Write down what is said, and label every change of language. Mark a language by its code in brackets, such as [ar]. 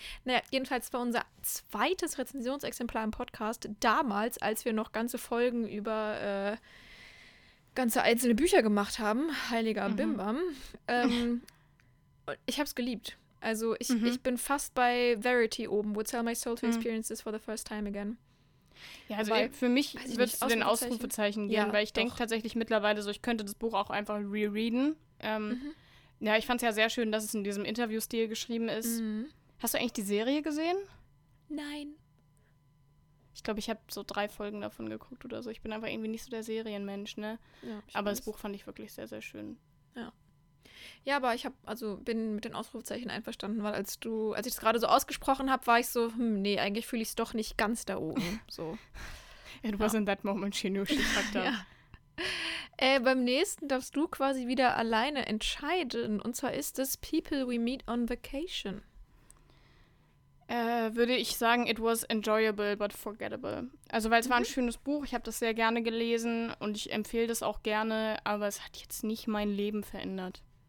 [de] Naja, jedenfalls war unser zweites Rezensionsexemplar im Podcast damals, als wir noch ganze Folgen über ganze einzelne Bücher gemacht haben. Heiliger Bimbam. Ich habe es geliebt. Also ich bin fast bei Verity oben. [en] Would sell my soul to experience this for the first time again. [de] Ja, also für mich wird es zu den Ausrufezeichen gehen, ja, weil ich denke tatsächlich mittlerweile so, ich könnte das Buch auch einfach rereaden. Ja, ich fand es ja sehr schön, dass es in diesem Interview-Stil geschrieben ist. Hast du eigentlich die Serie gesehen? Nein. Ich glaube, ich habe so 3 Folgen davon geguckt oder so. Ich bin einfach irgendwie nicht so der Serienmensch, ne? Aber das Buch fand ich wirklich sehr, sehr schön. Ja, aber ich bin mit den Ausrufezeichen einverstanden, weil als ich es gerade so ausgesprochen habe, war ich so, nee, eigentlich fühle ich es doch nicht ganz da oben. So. [en] It was in that moment she knew she fucked up. [de] Beim nächsten darfst du quasi wieder alleine entscheiden. Und zwar ist es People We Meet on Vacation. Würde ich sagen, [en] it was enjoyable but forgettable. [de] Also, weil es war ein schönes Buch, ich habe das sehr gerne gelesen und ich empfehle das auch gerne, aber es hat jetzt nicht mein Leben verändert.